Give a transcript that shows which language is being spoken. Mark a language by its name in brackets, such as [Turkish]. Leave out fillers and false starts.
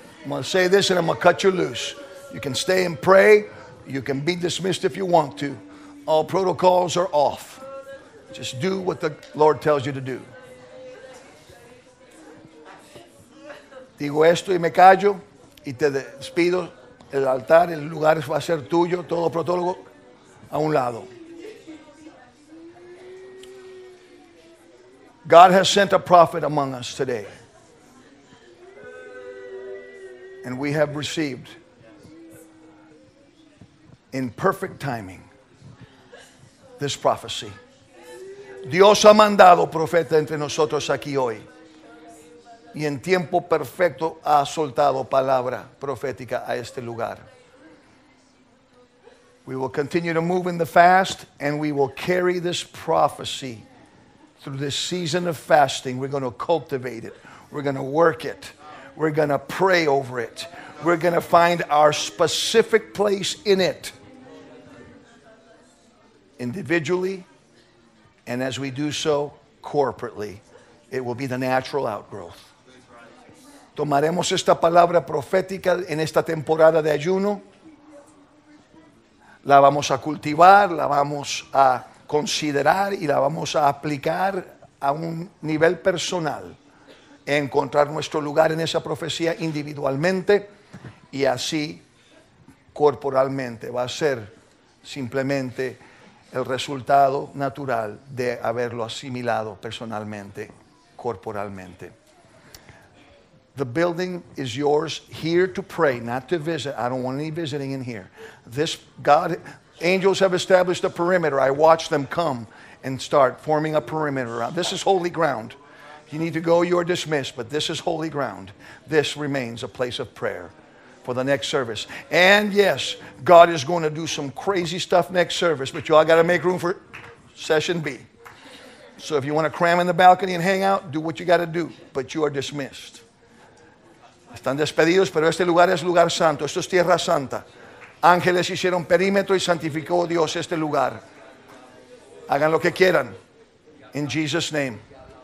[English] I'm going to say this and I'm going to cut you loose. You can stay and pray. You can be dismissed if you want to. All protocols are off. Just do what the Lord tells you to do. [Spanish] Digo esto y me callo y te despido. El altar, el lugar va a ser tuyo. Todo protocolo a un lado. [English] God has sent a prophet among us today. And we have received in perfect timing, this prophecy. [Spanish] Dios ha mandado profeta entre nosotros aquí hoy. Y en tiempo perfecto ha soltado palabra profética a este lugar. [English] We will continue to move in the fast, and we will carry this prophecy through this season of fasting. We're going to cultivate it. We're going to work it. We're going to pray over it. We're going to find our specific place in it, individually, and as we do so, corporately. It will be the natural outgrowth. [Spanish] Tomaremos esta palabra profética en esta temporada de ayuno. La vamos a cultivar, la vamos a considerar y la vamos a aplicar a un nivel personal. Encontrar nuestro lugar en esa profecía individualmente y así corporalmente. Va a ser simplemente el resultado natural de haberlo asimilado personalmente, corporalmente. [English] The building is yours here to pray, not to visit. I don't want any visiting in here. This God, angels have established a perimeter. I watch them come and start forming a perimeter around. This is holy ground. If you need to go, you are dismissed, but this is holy ground. This remains a place of prayer for the next service. And yes, God is going to do some crazy stuff next service, but you all got to make room for session B. So if you want to cram in the balcony and hang out, do what you got to do, but you are dismissed. [Spanish] Están despedidos, pero este lugar es lugar santo. Esto es tierra santa. Ángeles hicieron perímetro y santificó Dios este lugar. Hagan lo que quieran. [English] In Jesus' name.